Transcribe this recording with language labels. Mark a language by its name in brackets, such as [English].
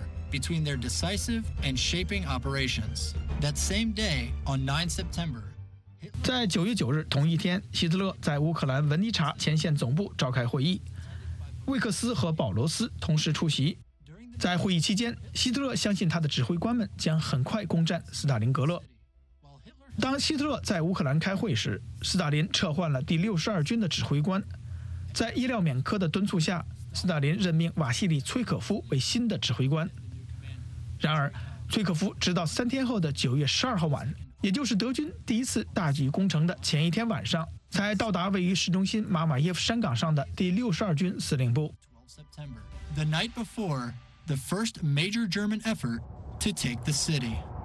[English] Between their decisive and shaping operations. That same day, on 9 September, [Chinese] 在9月9日同一天，希特勒在乌克兰文尼察前线总部召开会议，魏克斯和保罗斯同时出席。在会议期间，希特勒相信他的指挥官们将很快攻占斯大林格勒。当希特勒在乌克兰开会时，斯大林撤换了第62军的指挥官，在伊廖缅科的敦促下，斯大林任命瓦西里·崔可夫为新的指挥官。然而，崔可夫直到3天后的9月12号晚，也就是德军第一次大举攻城的前一天晚上，才到达位于市中心马马耶夫山岗上的第62军司令部。 [English] The night before the first major German effort to take the city.